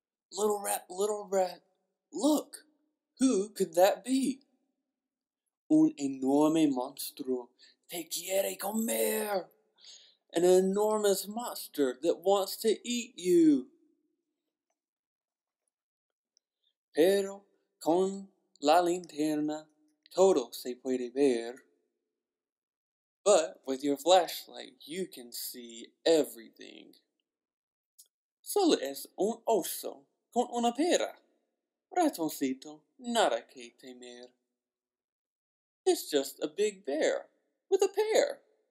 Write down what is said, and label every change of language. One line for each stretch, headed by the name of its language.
English: Little rat, look, who could that be?
Spanish: Un enorme monstruo te quiere comer,
English: an enormous monster that wants to eat you.
Spanish: Pero con la linterna todo se puede ver.
English: But with your flashlight you can see everything.
Spanish: Solo es un oso con una pera. Ratoncito, nada que temer.
English: It's just a big bear with a pear.